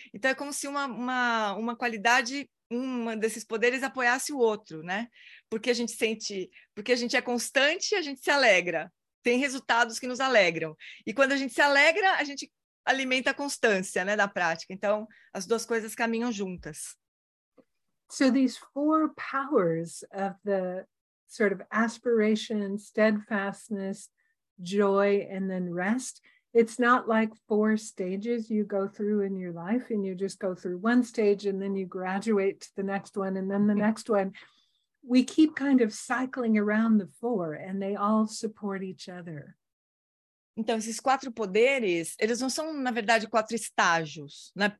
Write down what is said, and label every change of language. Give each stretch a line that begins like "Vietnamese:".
Portuguese: Então, é como se uma qualidade, um desses poderes apoiasse o outro, né? Porque a gente sente, porque a gente é constante, a gente se alegra. Tem resultados que nos alegram. E quando a gente se alegra, a gente alimenta a constância, né, da prática. Então, as duas coisas caminham juntas.
English: So these four powers of the sort of aspiration, steadfastness, joy, and then rest, it's not like four stages you go through in your life and you just go through one stage and then you graduate to the next one and then the next one. We keep kind of cycling around the four and they all support each other.
Portuguese: Então, esses quatro poderes, eles não são, na verdade, quatro estágios, né?